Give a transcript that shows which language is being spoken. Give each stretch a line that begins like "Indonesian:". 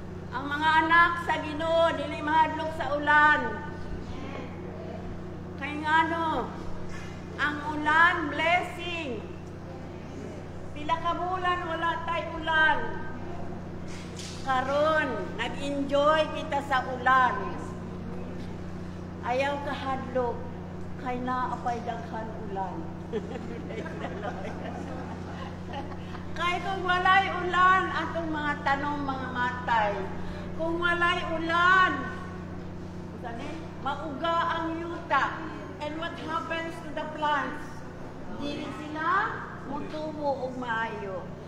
Cebuano: Ang mga anak sa Ginoo, dili mahadlok sa ulan. Kay ngano, ang ulan, blessing. Pila ka bulan, wala tay ulan. Karon, nag-enjoy kita sa ulan. Ayaw ka hadlok, kay naapay daghan ulan. Kay kung walay ulan, atong mga tanong mga matay. Kung walay ulan, mauga ang yuta.
English: And what happens to the plants?
Cebuano: Dili sila mutubo o maayo.